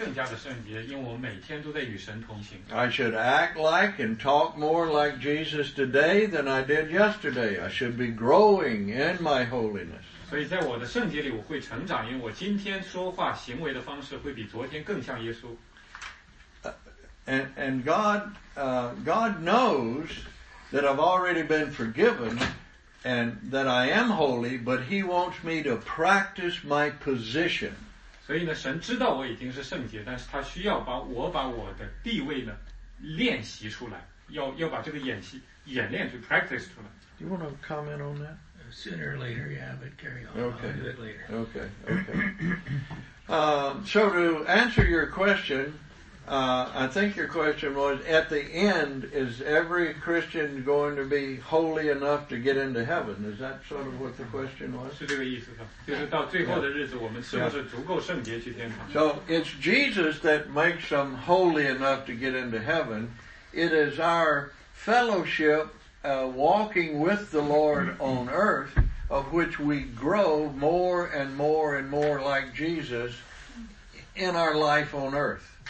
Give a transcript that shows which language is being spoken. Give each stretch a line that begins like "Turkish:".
Chinese: 所以我们今天应该比昨天更加的圣洁，因为我们每天都在与神同行。
English: I should act like and talk more like Jesus today than I did yesterday. I should be growing in my holiness.
Chinese: 所以在我的圣洁里我会成长，因为我今天说话行为的方式会比昨天更像耶稣。
English: And God knows that I've already been forgiven and that I am holy, but He wants me to practice my position.
Chinese: 所以呢，神知道我已经是圣洁，但是他需要把我的地位呢练习出来，要把这个演习演练去practice出来。
English: Do you want to comment on that? Sooner or later, yeah, but carry on. Okay. I'll do it later. Okay. Okay. So to answer your question. I think your question was, at the end, is every Christian going to be holy enough to get into heaven? Is that sort of what the question was?
Chinese: 是这个意思吧？就是到最后的日子，我们是不是足够圣洁去天堂？
English: So it's Jesus that makes them holy enough to get into heaven. It is our fellowship walking with the Lord on earth, of which we grow more and more and more like Jesus in our life on earth.